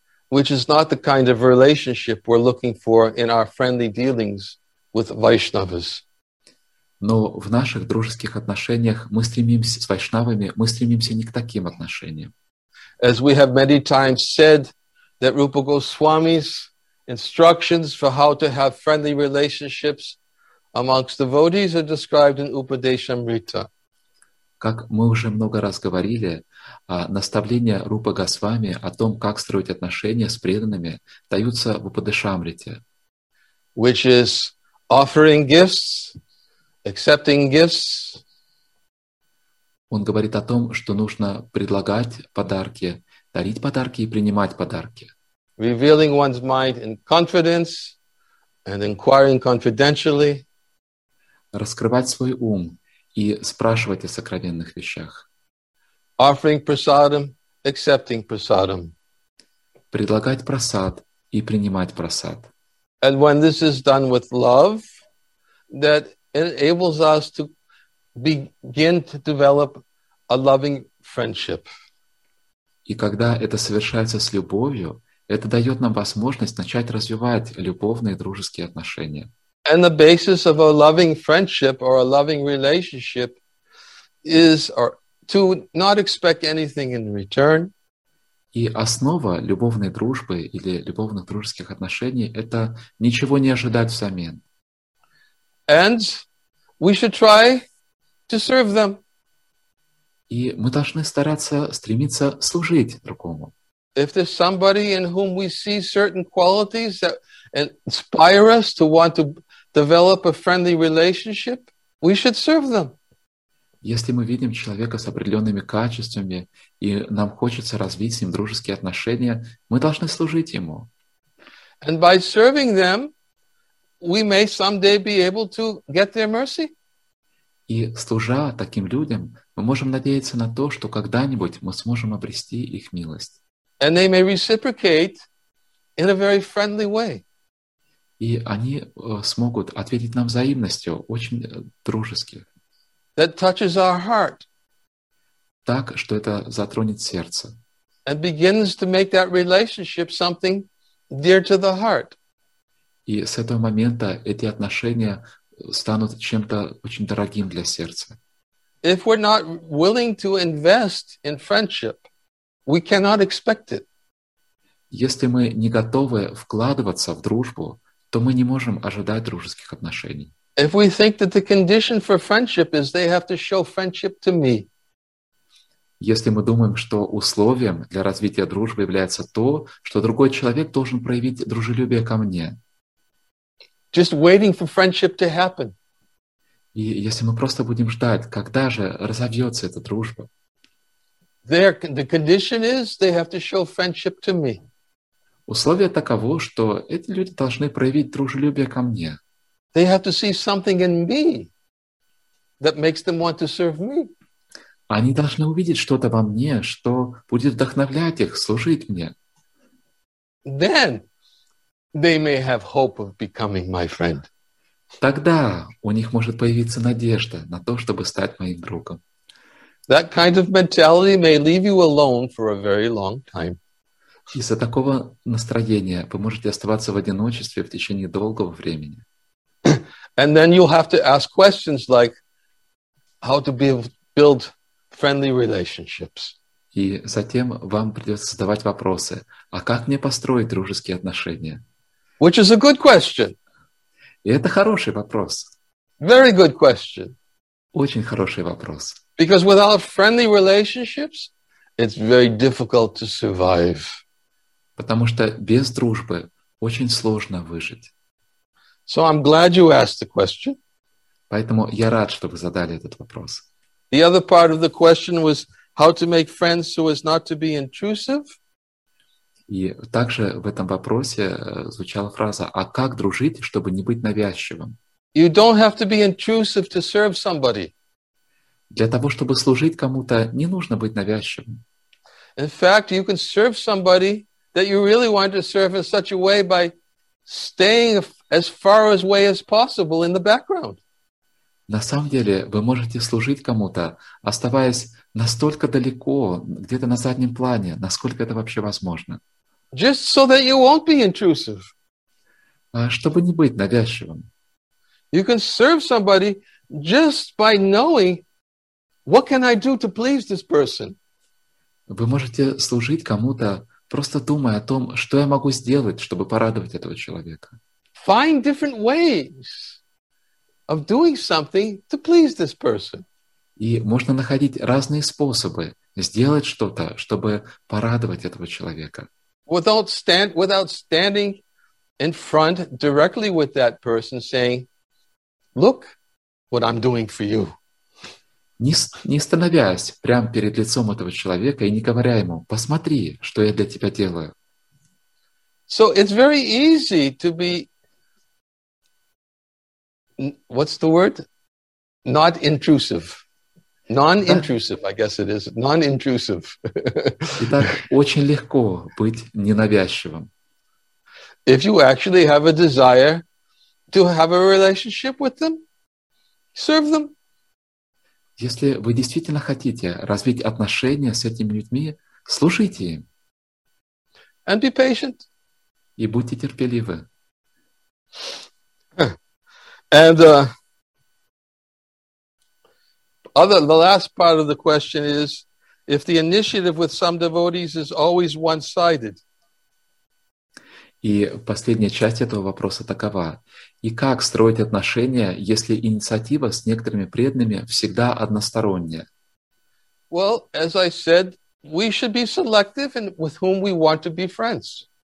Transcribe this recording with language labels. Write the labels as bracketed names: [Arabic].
[English] Which is not the kind of relationship we're looking for in our friendly dealings with Vaishnavas. [Russian] Но в наших дружеских отношениях мы стремимся с вайшнавами, мы стремимся не к таким отношениям. [English] As we have many times said that Rupa Goswami's instructions for how to have friendly relationships amongst devotees are described in Upadeshamrita. [Russian] Как мы уже много раз говорили, наставления Рупа Госвами о том, как строить отношения с преданными, даются в Упадешамрите. [English] Which is offering gifts, accepting gifts. [Russian] Он говорит о том, что нужно предлагать подарки, дарить подарки и принимать подарки. [English] Revealing one's mind in confidence and inquiring confidentially. [Russian] Раскрывать свой ум и спрашивать о сокровенных вещах. [English] Offering prasadam, accepting prasadam. [Russian] Предлагать прасад и принимать прасад. [English] And when this is done with love, that enables us to begin to develop a loving friendship. [Russian] И когда это совершается с любовью, это дает нам возможность начать развивать любовные и дружеские отношения. [English] And the basis of a loving friendship or a loving relationship is to not expect anything in return. [Russian] И основа любовной дружбы или любовных дружеских отношений — это ничего не ожидать взамен. [English] And we should try to serve them. [Russian] И мы должны стараться, стремиться служить другому. [English] If there's somebody in whom we see certain qualities that inspire us to want to develop a friendly relationship, we should serve them. [Russian] Если мы видим человека с определенными качествами и нам хочется развить с ним дружеские отношения, мы должны служить ему. [English] And by serving them, we may someday be able to get their mercy. [Russian] И служа таким людям, мы можем надеяться на то, что когда-нибудь мы сможем обрести их милость. [English] And they may reciprocate in a very friendly way. [Russian] И они смогут ответить нам взаимностью, очень дружески. [English] That touches our heart. [Russian] Так, что это затронет сердце. [English] And begins to make that relationship something dear to the heart. [Russian] И с этого момента эти отношения станут чем-то очень дорогим для сердца. [English] If we're not willing to invest in friendship, we cannot expect it. [Russian] Если мы не готовы вкладываться в дружбу, то мы не можем ожидать дружеских отношений. [English] If we think that the condition for friendship is they have to show friendship to me. [Russian] Если мы думаем, что условием для развития дружбы является то, что другой человек должен проявить дружелюбие ко мне. [English] Just waiting for friendship to happen. [Russian] И если мы просто будем ждать, когда же разовьется эта дружба? [English] There, the condition is they have to show friendship to me. [Russian] Условие таково, что эти люди должны проявить дружелюбие ко мне. [English] They have to see something in me that makes them want to serve me. [Russian] Они должны увидеть что-то во мне, что будет вдохновлять их служить мне. [English] Then they may have hope of becoming my friend. [Russian] Тогда у них может появиться надежда на то, чтобы стать моим другом. [English] That kind of mentality may leave you alone for a very long time. [Russian] Из-за такого настроения вы можете оставаться в одиночестве в течение долгого времени. [English] And then you'll have to ask questions like how to build friendly relationships. [Russian] И затем вам придется задавать вопросы: а как мне построить дружеские отношения? [English] Which is a good question. [Russian] И это хороший вопрос. [English] Very good question. [Russian] Очень хороший вопрос. [English] Because without friendly relationships, it's very difficult to survive. [Russian] Потому что без дружбы очень сложно выжить. [English] So I'm glad you asked the question. [Russian] Поэтому я рад, что вы задали этот вопрос. [English] The other part of the question was how to make friends so as not to be intrusive. [Russian] И также в этом вопросе звучала фраза: а как дружить, чтобы не быть навязчивым? [English] You don't have to be intrusive to serve somebody. [Russian] Для того, чтобы служить кому-то, не нужно быть навязчивым. [English] In fact, you can serve somebody that you really want to serve in such a way by staying as far away as possible in the background. [Russian] На самом деле вы можете служить кому-то, оставаясь настолько далеко, где-то на заднем плане, насколько это вообще возможно. [English] Just so that you won't be intrusive. [Russian] Чтобы не быть навязчивым. [English] You can serve somebody just by knowing, what can I do to please this person? [Russian] Вы можете служить кому-то, просто думая о том, что я могу сделать, чтобы порадовать этого человека. [English] Find different ways of doing something to please this person. [Russian] И можно находить разные способы сделать что-то, чтобы порадовать этого человека. [English] Without standing in front directly with that person saying, look what I'm doing for you. [Russian] Не становясь прямо перед лицом этого человека и не говоря ему, посмотри, что я для тебя делаю. [English] So it's very easy to be, what's the word? Not intrusive. Non-intrusive, I guess it is. Non-intrusive. [Russian] Итак, очень легко быть ненавязчивым. [English] If you actually have a desire to have a relationship with them, serve them. [Russian] Если вы действительно хотите развить отношения с этими людьми, слушайте им. [English] And be patient. [Russian] И будьте терпеливы. [English] And the last part of the question is, if the initiative with some devotees is always one-sided. [Russian] И последняя часть этого вопроса такова. И как строить отношения, если инициатива с некоторыми преданными всегда односторонняя? [English] Well, as I said, we should be selective in with whom we want to be friends.